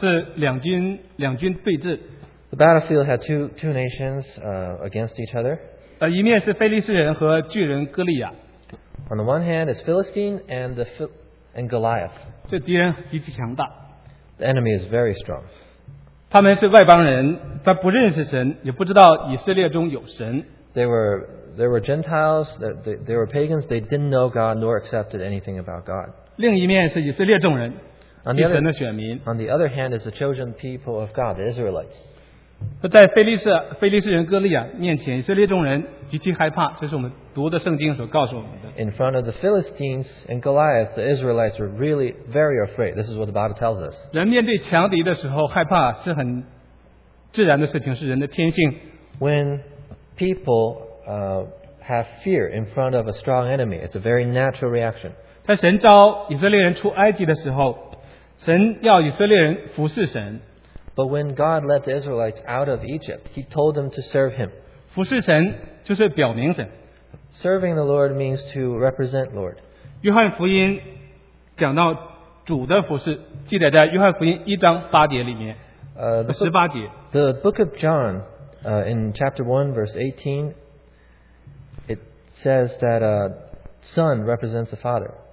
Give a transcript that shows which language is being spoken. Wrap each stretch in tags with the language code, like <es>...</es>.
<zh>在当时的战场上是两军对峙。</zh> <en>The battlefield had two nations against each other.</en> <zh>一面是非利士人和巨人哥利亚。</zh> <en>On the one hand, it's Philistine and Goliath.</en> <zh>这敌人极其强大。</zh> <en>The enemy is very strong.</en> <zh>他们是外邦人，他不认识神，也不知道以色列中有神。</zh> <en>They were Gentiles. They were pagans. They didn't know God nor accepted anything about God.</en> <zh>另一面是以色列众人，是神的选民。</zh> <en>On the other hand, it's the chosen people of God, the Israelites.</en> <zh>在非利士人哥利亚面前，以色列众人极其害怕，这是我们读的圣经所告诉我们的。</zh> <en>In front of the Philistines and Goliath, the Israelites were really very afraid. This is what the Bible tells us.</en> <zh>人面对强敌的时候害怕是很自然的事情，是人的天性。</zh> <en>When people have fear in front of a strong enemy. It's a very natural reaction.</en> <zh>在神召以色列人出埃及的时候，神要以色列人服侍神。</zh> <en>But when God led the Israelites out of Egypt, He told them to serve Him.</en> <zh>服侍神就是表明神。</zh> <en>Serving the Lord means to represent Lord.</en> <zh>约翰福音讲到主的服侍，记载在约翰福音一章八节里面。</zh> <en>The book of John, in chapter 1, verse 18, it says that a son represents the father.</en>